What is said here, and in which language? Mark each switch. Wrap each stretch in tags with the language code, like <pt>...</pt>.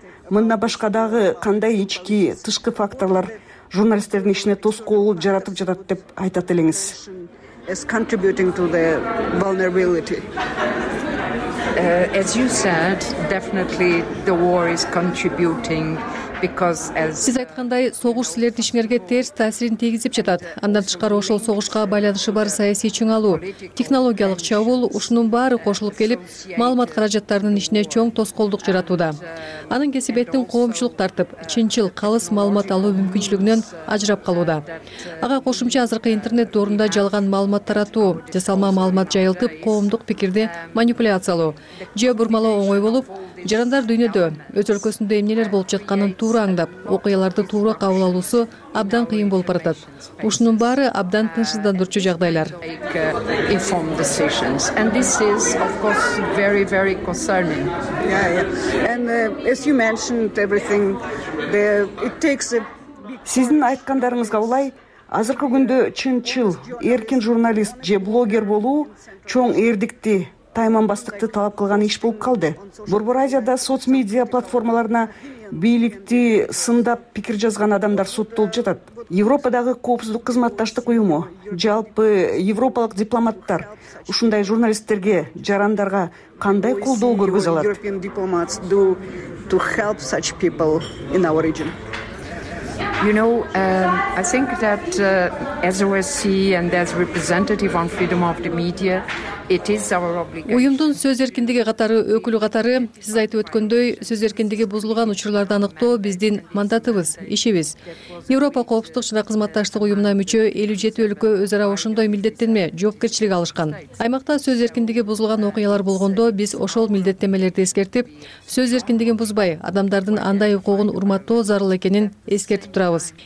<ky>Мындан башка дагы кандай ички, тышкы факторлор журналисттердин ишине тоскоол жаратып жатат деп айтат элеңиз?</ky> <en>As contributing to the vulnerability. As you said, definitely the war is contributing.</en> <ky>Сиз айткандай, согуш силердин ишиңерге терс таасирин тийгизип жатат. Андан тышкары ошол согушка байланышы бар саясий чың алуу, технологиялык чабуул, ушунун баары кошулуп келип, маалымат каражаттарынын ишине чоң тоскоолдук жаратууда. Анын кесепетин коомчулук тартып, чынчыл, калыс маалымат алуу мүмкүнчүлүгүнөн ажырап калууда. Ага кошумча азыркы интернет доорунда жалган маалымат таратуу, жасалма маалымат жайылтып, коомдук пикирди манипуляциялоо же бурмалоо оңой болуп, жарандар дүйнөдө, өз өлкөсүндө эмнелер болуп жатканын туура аңдап, окуяларды туура кабыл алуусу абдан кыйын болуп баратат. Ушунун баары абдан тынчсыздандырчу жагдайлар.</ky> <en>And this is of course very very concerning. And as you mentioned everything it takes a</en> <ky>Сиздин айткандарыңызга улай, азыркы күндө чынчыл, эркин журналист же блогер болуу чоң эрдикти, тайманбастыкты талап кылган иш болуп калды. Борбор Азияда соц медиа платформаларына бийликти сындап пикир жазган адамдар соттолуп жатат. Европадагы коопсуздук кызматташтык уюму, жалпы европалык дипломаттар ушундай журналисттерге, жарандарга кандай колдоо көргөзө алат?</ky> <en>European diplomats do to help such people in our region. You know, I think that as OSC and as representative on freedom of the media, it is our obligation.</en> <ky>Уюмдун сөз эркиндиги катары, өкүлү катары, сиз айтып өткөндөй, сөз эркиндиги бузулган учурларды аныктоо биздин мандатыбыз, ишибиз. Европа коопсуздук жана кызматташтык уюмуна мүчө 57 өлкө өз ара ошондой милдеттенме, жоопкерчилик алышкан. Аймакта сөз эркиндиги бузулган окуялар болгондо, биз ошол милдеттенмелерди эскертип, сөз эркиндигин бузбай, адамдардын андай укугун урматтоо зарыл экенин эскертип турабыз.</ky>